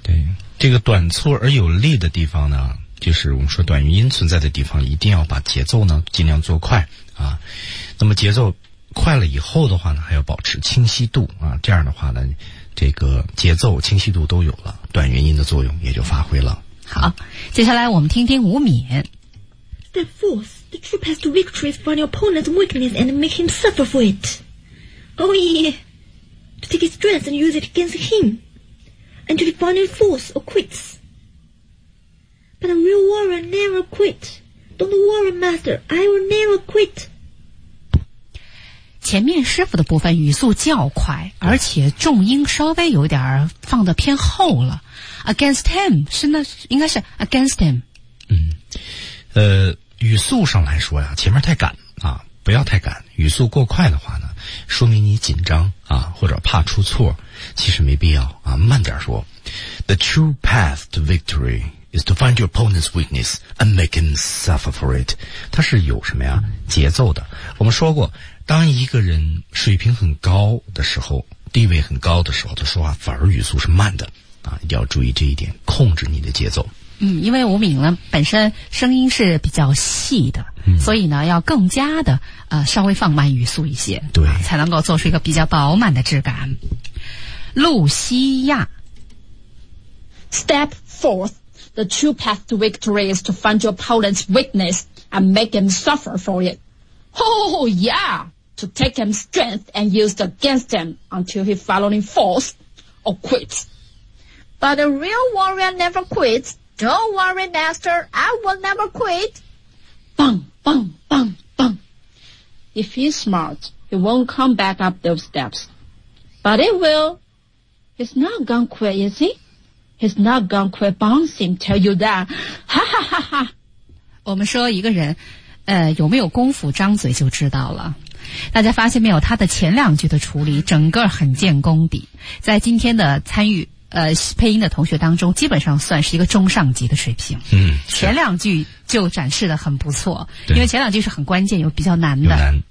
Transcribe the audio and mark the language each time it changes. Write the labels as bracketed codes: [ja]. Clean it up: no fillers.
[zh] 对，这个短促而有力的地方呢，就是我们说短元音存在的地方，一定要把节奏呢尽量做快啊。那么节奏快了以后的话呢，还要保持清晰度啊。这样的话呢。这个节奏清晰度都有了，短元音的作用也就发挥了。好，接下来我们听听吴敏。 [en] Step forth, the true path to victory is find your opponent's weakness and make him suffer for it. Oh yeah, to take his strength and use it against him, and to find him falls or quits. But a real warrior never quit. Don't worry, master, I will never quit. [zh] 前面师傅的部分语速较快，而且重音稍微有点放得偏后了。 [en] Against him [zh] 是那应该是 [en] against him。语速上来说呀，前面太赶啊，不要太赶。语速过快的话呢，说明你紧张啊，或者怕出错，其实没必要啊，慢点说。 The true path to victory is to find your opponent's weakness and make him suffer for it。 [zh] 它是有什么呀？节奏的。我们说过。当一个人水平很高的时候，地位很高的时候，他说话反而语速是慢的啊，一定要注意这一点，控制你的节奏。因为吴敏呢本身声音是比较细的，所以呢要更加的稍微放慢语速一些，对、才能够做出一个比较饱满的质感。露西亚。 [en] Step forth, the true path to victory is to find your opponent's weakness and make him suffer for it. Oh, yeah, to take him strength and use it against him until he finally falls or quits. But a real warrior never quits. Don't worry, master, I will never quit. Bang, bang, bang, bang. If he's smart, he won't come back up those steps. But he will. He's not gonna quit, is he? He's not gonna quit bouncing, tell you that. Ha, ha, ha, ha. [zh] 我们说一个人有没有功夫张嘴就知道了。大家发现没有，他的前两句的处理整个很见功底，在今天的参与配音的同学当中基本上算是一个中上级的水平。前两句就展示得很不错，因为前两句是很关键，有比较难的，